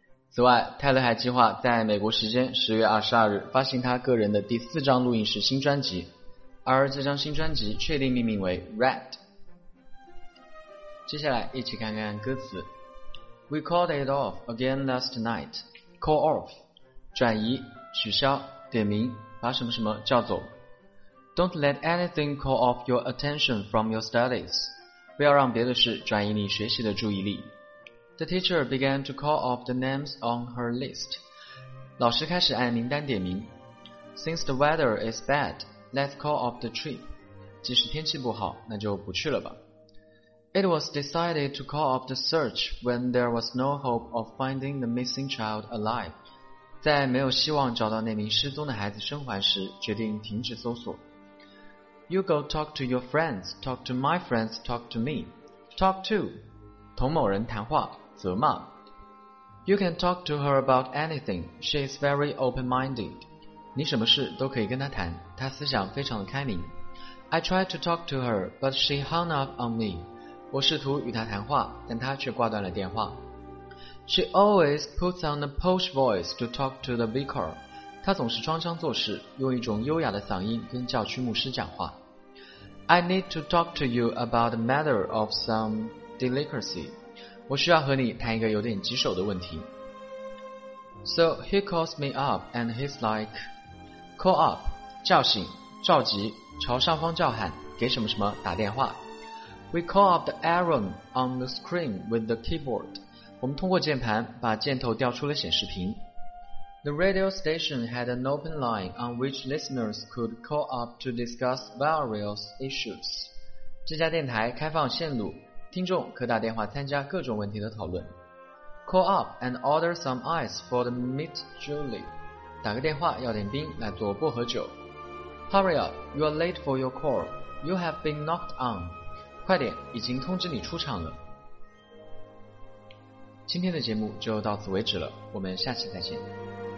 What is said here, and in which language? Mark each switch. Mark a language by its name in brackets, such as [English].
[Chinese] 此外，泰勒还计划在美国时间10月22日发行他个人的第四张录音室新专辑，而这张新专辑确定命名为 Red。接下来一起看看歌词。 [English] We called it off again last night. Call off [Chinese] 转移、取消、点名、把什么什么叫走。 [English] Don't let anything call off your attention from your studies. [Chinese] 不要让别的事转移你学习的注意力。 [English] The teacher began to call off the names on her list. [Chinese] 老师开始按名单点名。 [English] Since the weather is bad, let's call off the trip. [Chinese] 即使天气不好，那就不去了吧。 [English] It was decided to call off the search when there was no hope of finding the missing child alive. [Chinese] 在没有希望找到那名失踪的孩子生还时，决定停止搜索。 [English] You go talk to your friends, talk to my friends, talk to me. Talk to. [Chinese] 同某人谈话，责骂。 [English] You can talk to her about anything. She is very open-minded. [Chinese] 你什么事都可以跟她谈，她思想非常的开明。 [English] I tried to talk to her, but she hung up on me. [Chinese] 我试图与她谈话，但她却挂断了电话。 [English] She always puts on a posh voice to talk to the vicar. [Chinese] 她总是装腔作势，用一种优雅的嗓音跟教区牧师讲话。 [English] I need to talk to you about the matter of some delicacy. [Chinese] 我需要和你谈一个有点棘手的问题。 [English] So he calls me up and he's like, call up, [Chinese] 叫醒，召集，朝上方叫喊，给什么什么打电话。 [English] We call up the arrow on the screen with the keyboard. [Chinese] 我们通过键盘把箭头调出了显示屏。 [English] The radio station had an open line on which listeners could call up to discuss various issues. [Chinese] 这家电台开放线路，听众可打电话参加各种问题的讨论。 [English] Call up and order some ice for the mint julep. [Chinese] 打个电话要点冰来做薄荷酒。 [English] Hurry up, you are late for your call. You have been knocked on. [Chinese] 快点，已经通知你出场了。今天的节目就到此为止了，我们下期再见。